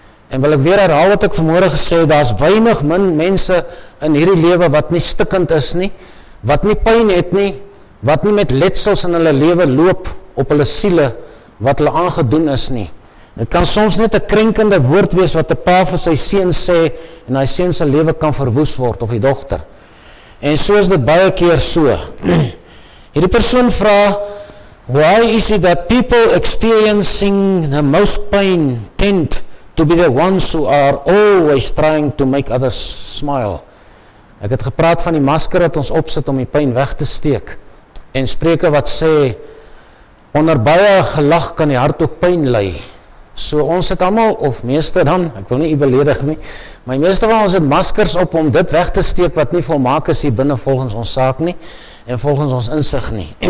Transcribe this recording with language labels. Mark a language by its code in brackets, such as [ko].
[af] En wil ek weer herhaal wat ek vanmôre gesê, daar is weinig min mense in hierdie lewe wat nie stikkend is nie, wat nie pyn het nie, wat nie met letsels in hulle lewe loop op hulle siele wat hulle aangedoen is nie. Dit kan soms net 'n krenkende woord wees wat 'n pa vir sy seun sê en hy seun se lewe kan verwoes word, of die dogter. En so is dit baie keer so. Hierdie persoon vra, [en] why is it that people experiencing the most pain tend to be the ones who are always trying to make others smile? [af] Ek het gepraat van die masker wat ons opsit om die pyn weg te steek. En spreke wat sê, onder baie gelag kan die hart ook pyn ly. So ons het allemaal, of meeste dan, ek wil nie u beledig nie, maar die meeste van ons het maskers op om dit weg te steek wat nie volmaak is hier binnen volgens ons saak nie, en volgens ons insig nie.